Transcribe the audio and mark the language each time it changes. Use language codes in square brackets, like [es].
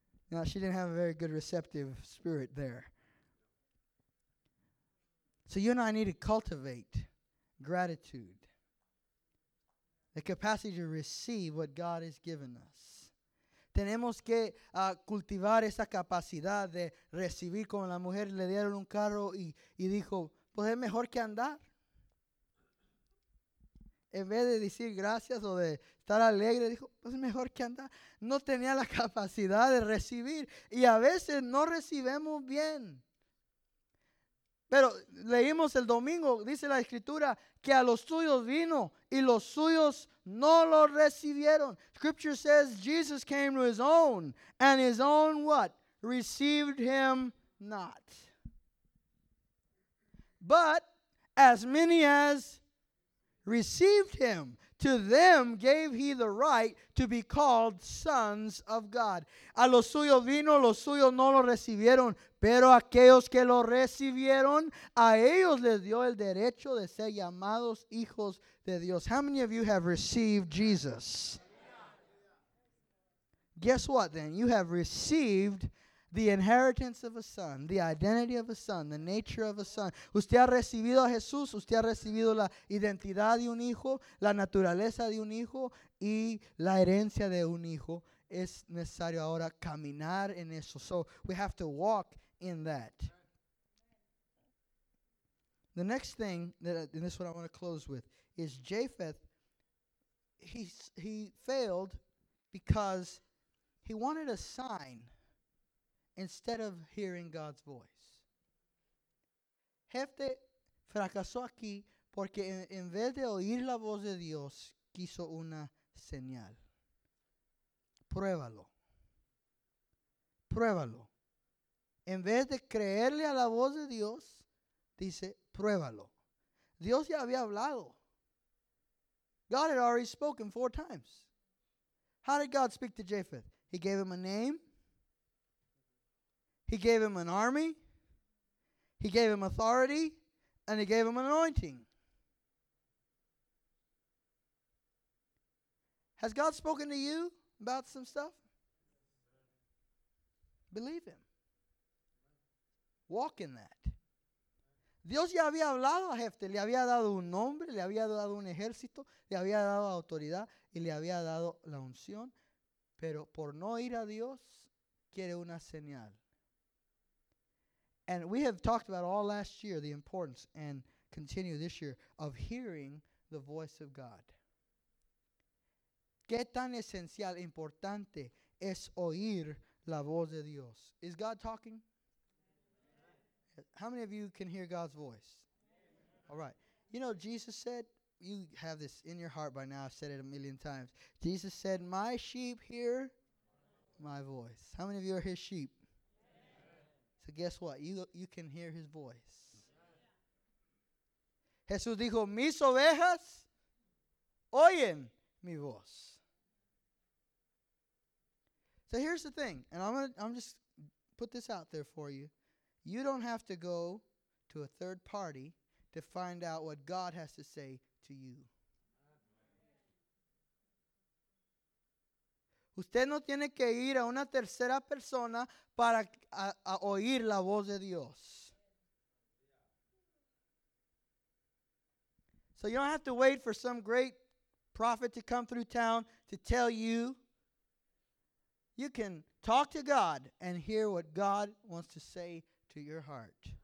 [en] Now, she didn't have a very good receptive spirit there. So you and I need to cultivate gratitude, the capacity to receive what God has given us. [es] Tenemos que cultivar esa capacidad de recibir, como la mujer le dieron un carro y dijo, pues es mejor que andar. En vez de decir gracias o de estar alegre, dijo, pues es mejor que andar. No tenía la capacidad de recibir. Y a veces no recibimos bien. Pero leímos el domingo, dice la escritura, que a los suyos vino y los suyos no lo recibieron. [en] Scripture says Jesus came to his own, and his own what? Received him not. But as many as received him, to them gave he the right to be called sons of God. [es] A los suyos vino, los suyos no lo recibieron, pero aquellos que lo recibieron, a ellos les dio el derecho de ser llamados hijos de Dios. [en] How many of you have received Jesus? Guess what then? You have received the inheritance of a son, the identity of a son, the nature of a son. [es] Usted ha recibido a Jesús, usted ha recibido la identidad de un hijo, la naturaleza de un hijo y la herencia de un hijo. Es necesario ahora caminar en eso. [en] So we have to walk in that. The next thing, that, and this is what I want to close with, is Japheth, he failed because he wanted a sign instead of hearing God's voice. [es] Jephthah fracasó aquí porque en vez de oír la voz de Dios, quiso una señal. Pruébalo. Pruébalo. En vez de creerle a la voz de Dios, dice, pruébalo. Dios ya había hablado. [en] God had already spoken 4 times. How did God speak to Japheth? He gave him a name. He gave him an army. He gave him authority. And he gave him an anointing. Has God spoken to you about some stuff? Believe him. Walk in that. [es] Dios ya había hablado a Jephthah. Le había dado un nombre. Le había dado un ejército. Le había dado autoridad. Y le había dado la unción. Pero por no ir a Dios, quiere una señal. [en] And we have talked about all last year the importance, and continue this year, of hearing the voice of God. [es] ¿Qué tan esencial, importante es oír la voz de Dios? [en] Is God talking? How many of you can hear God's voice? All right. You know, Jesus said, you have this in your heart by now, I've said it a million times. Jesus said, my sheep hear my voice. How many of you are his sheep? So guess what? You can hear his voice. [es] Yeah. Jesús dijo, mis ovejas oyen mi voz. [en] So here's the thing, and I'm just put this out there for you. You don't have to go to a third party to find out what God has to say to you. [es] Usted no tiene que ir a una tercera persona para a oír la voz de Dios. [en] So you don't have to wait for some great prophet to come through town to tell you. You can talk to God and hear what God wants to say to your heart.